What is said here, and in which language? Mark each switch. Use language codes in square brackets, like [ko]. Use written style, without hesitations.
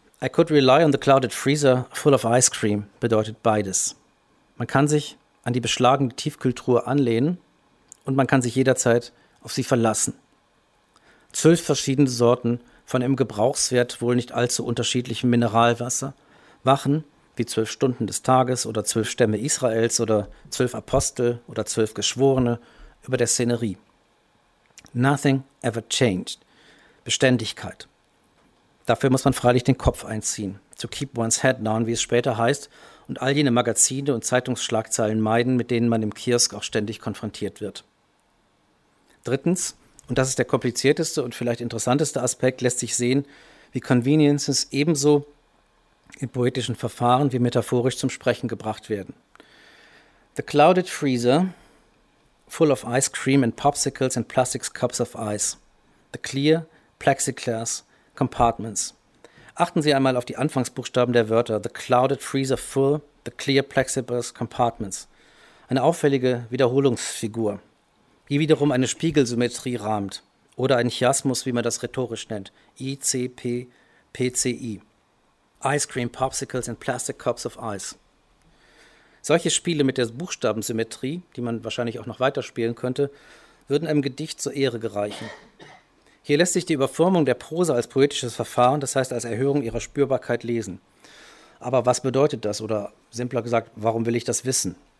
[en] I could rely on the clouded freezer full of ice cream [de] bedeutet beides. Man kann sich an die beschlagene Tiefkühltruhe anlehnen und man kann sich jederzeit auf sie verlassen. 12 verschiedene Sorten von im Gebrauchswert wohl nicht allzu unterschiedlichem Mineralwasser wachen wie 12 Stunden des Tages oder 12 Stämme Israels oder 12 Apostel oder 12 Geschworene über der Szenerie. [en] Nothing ever changed. [de] Beständigkeit. Dafür muss man freilich den Kopf einziehen. [en] To keep one's head down, [de] wie es später heißt, und all jene Magazine und Zeitungsschlagzeilen meiden, mit denen man im Kiosk auch ständig konfrontiert wird. Drittens, und das ist der komplizierteste und vielleicht interessanteste Aspekt, lässt sich sehen, wie Conveniences ebenso in poetischen Verfahren wie metaphorisch zum Sprechen gebracht werden. [en] The clouded freezer, full of ice cream and popsicles and plastic cups of ice. The clear plexiglass compartments. [de] Achten Sie einmal auf die Anfangsbuchstaben der Wörter. [en] The clouded freezer full, the clear plexiglass compartments. [de] Eine auffällige Wiederholungsfigur, die wiederum eine Spiegelsymmetrie rahmt. Oder ein Chiasmus, wie man das rhetorisch nennt. ICPPCI. [en] Ice cream, popsicles and plastic cups of ice. [de] Solche Spiele mit der Buchstabensymmetrie, die man wahrscheinlich auch noch weiterspielen könnte, würden einem Gedicht zur Ehre gereichen. Hier lässt sich die Überformung der Prosa als poetisches Verfahren, das heißt als Erhöhung ihrer Spürbarkeit, lesen. Aber was bedeutet das? Oder simpler gesagt, warum will ich das wissen?